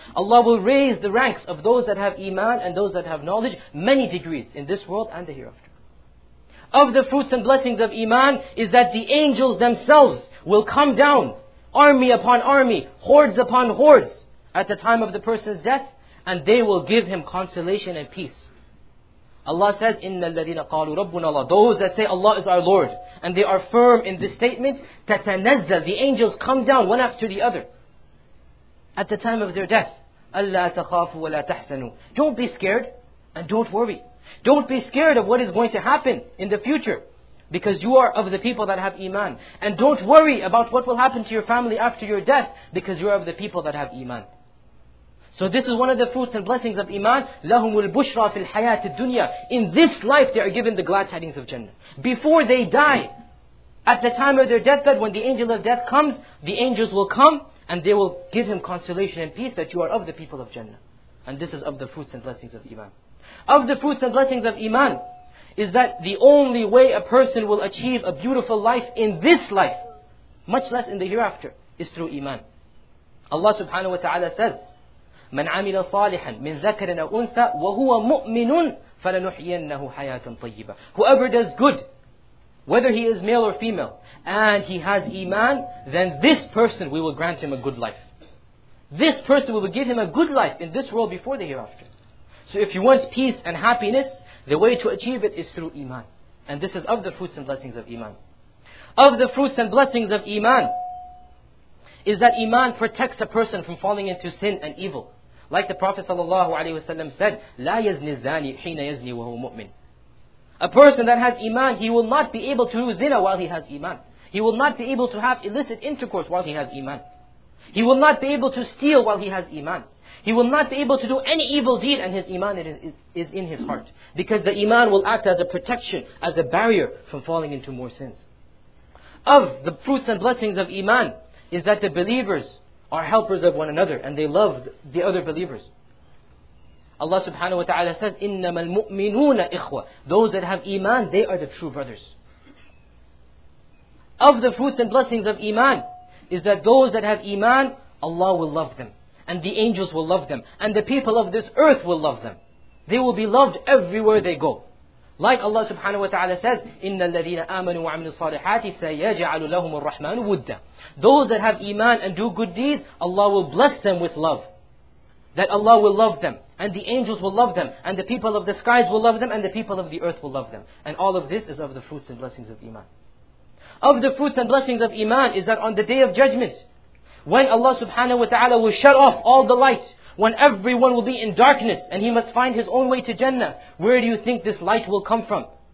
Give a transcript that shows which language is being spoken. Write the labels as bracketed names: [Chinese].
[English] Allah will raise the ranks of those that have iman and those that have knowledge many degrees in this world and the hereafter. Of the fruits and blessings of iman is that the angels themselves will come down, army upon army, hordes upon hordes, at the time of the person's death, and they will give him consolation and peace. Allah says, [Arabic] إِنَّ الَّذِينَ قَالُوا رَبُّنَ اللَّهُ. [English] Those that say Allah is our Lord, and they are firm in this statement, تَتَنَزَّلْ. The angels come down one after the other at the time of their death. [Arabic] أَلَّا تَخَافُوا وَلَا تَحْسَنُوا. [English] Don't be scared and don't worry. Don't be scared of what is going to happen in the future, because you are of the people that have iman. And don't worry about what will happen to your family after your death, because you are of the people that have iman. So this is one of the fruits and blessings of iman. [Arabic] لَهُمُ الْبُشْرَى فِي الْحَيَاةِ الدُّنْيَا. [English] In this life they are given the glad tidings of Jannah. Before they die, at the time of their deathbed, when the angel of death comes, the angels will come and they will give him consolation and peace that you are of the people of Jannah. And this is of the fruits and blessings of iman. Of the fruits and blessings of iman is that the only way a person will achieve a beautiful life in this life, much less in the hereafter, is through iman. [Arabic] Allah subhanahu wa ta'ala says, مَنْ عَمِلَ صَالِحًا مِنْ ذَكَرٍ أَوْ أُنْثَى وَهُوَ مُؤْمِنٌ فَلَنُحْيِيَنَّهُ حَيَاةً طَيِّبَةً. [English] Whoever does good, whether he is male or female, and he has iman, then this person, we will grant him a good life. This person, we will give him a good life in this world before the hereafter. So if you want peace and happiness, the way to achieve it is through iman. And this is of the fruits and blessings of iman. Of the fruits and blessings of iman is that iman protects a person from falling into sin and evil. Like the Prophet ﷺ said, [Arabic] لا يزني الزاني حين يزني وهو مؤمن. [English] A person that has iman, he will not be able to do zina while he has iman. He will not be able to have illicit intercourse while he has iman. He will not be able to steal while he has iman. He will not be able to do any evil deed and his iman is in his heart. Because the iman will act as a protection, as a barrier from falling into more sins. Of the fruits and blessings of iman is that the believers are helpers of one another and they love the other believers. Allah subhanahu wa ta'ala says, [Arabic] إِنَّمَا الْمُؤْمِنُونَ إِخْوَةً. [English] Those that have iman, they are the true brothers. Of the fruits and blessings of iman is that those that have iman, Allah will love them. And the angels will love them. And the people of this earth will love them. They will be loved everywhere they go. [Arabic] Like Allah subhanahu wa ta'ala says, إِنَّ الَّذِينَ آمَنُوا وَعَمِنُوا الصَّالِحَاتِ سَيَجْعَلُ لَهُمُ الرَّحْمَنُ وُدَّ. [English] Those that have iman and do good deeds, Allah will bless them with love. That Allah will love them, and the angels will love them, and the people of the skies will love them, and the people of the earth will love them. And all of this is of the fruits and blessings of iman. Of the fruits and blessings of iman is that on the day of judgment, when Allah subhanahu wa ta'ala will shut off all the light, when everyone will be in darkness, and he must find his own way to Jannah, where do you think this light will come from?